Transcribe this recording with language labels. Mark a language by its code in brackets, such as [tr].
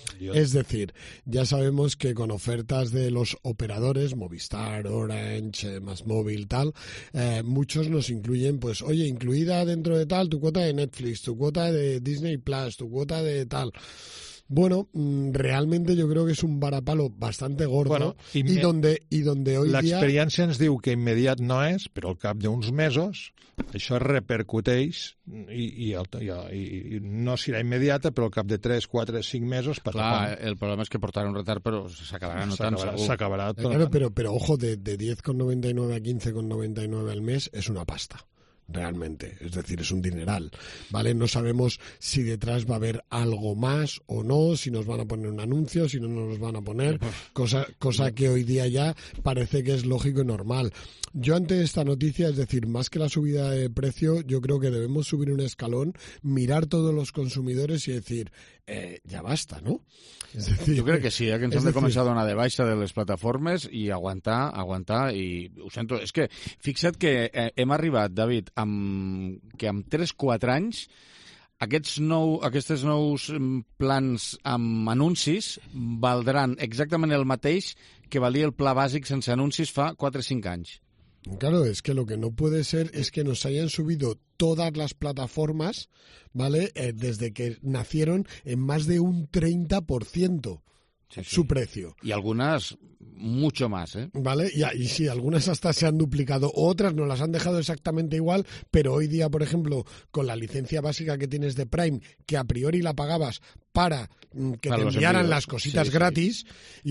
[es] Es decir, ya sabemos que con ofertas de los operadores, Movistar, Orange, MásMóvil, tal, muchos nos incluyen, pues, oye, incluida dentro de tal tu cuota de Netflix, tu cuota de Disney Plus, tu cuota de tal... Bueno, realmente yo creo que es un varapalo bastante gordo, bueno, y donde hoy día... [ca] L'experiència ens diu que immediat no és, però al cap d'uns mesos això repercuteix i no serà immediata, però al cap de 3, 4, 5 mesos... Clar, el problema és que portarà un retard, però s'acabarà notant segur. S'acabarà tot. Però ojo, de 10,99 a 15,99 al mes és una pasta. [es] Realmente, es decir, es un dineral, ¿vale? No sabemos si detrás va a haber algo más o no, si nos van a poner un anuncio, si no nos van a poner, cosa que hoy día ya parece que es lógico y normal. Yo ante esta noticia, es decir, más que la subida de precio, yo creo que debemos subir un escalón, mirar todos los consumidores y decir, ya basta, ¿no? Es decir, yo creo que sí, que [ca] ens han començat a donar de baixa de les plataformes i aguantar, i ho sento, és que fixa't que hem arribat, David, amb 3-4 anys aquests nous plans amb anuncis valdran exactament el mateix que valia el pla bàsic sense anuncis fa 4-5 anys. [es] Claro, es que lo que no puede ser es que nos hayan subido todas las plataformas, ¿vale? Desde que nacieron en más de un 30%. Sí, su sí. precio. Y algunas mucho más, ¿eh? Vale, y sí, algunas hasta se han duplicado, otras no las han dejado exactamente igual, pero hoy día, por ejemplo, con la licencia básica que tienes de Prime, que a priori la pagabas para que para te enviaran envíos. Las cositas sí, gratis, sí.